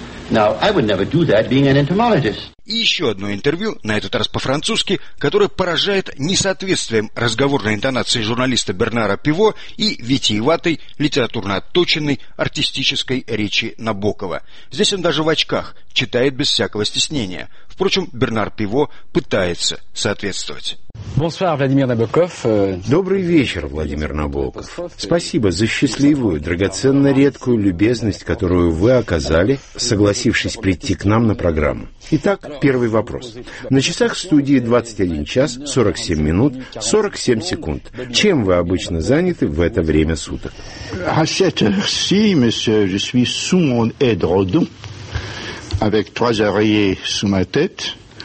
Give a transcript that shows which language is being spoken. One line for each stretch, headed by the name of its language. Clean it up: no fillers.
English: Now, I would never do that, being an entomologist.
Russian: И еще одно интервью, на этот раз по-французски, которое поражает несоответствием разговорной интонации журналиста Бернара Пиво и витиеватой, литературно отточенной, артистической речи Набокова. Здесь он даже в очках читает без всякого стеснения. Впрочем, Бернар Пиво пытается соответствовать.
French: Bonsoir, Владимир Набоков.
Russian: Добрый вечер, Владимир Набоков. Спасибо за счастливую, драгоценно редкую любезность, которую вы оказали, согласившись прийти к нам на программу. Итак, первый вопрос. На часах в студии 21 час 47 минут 47 секунд. Чем вы обычно заняты в это время суток?
French: À cette heure-ci, monsieur, je suis sous mon édredon, avec trois oreillers sous ma tête,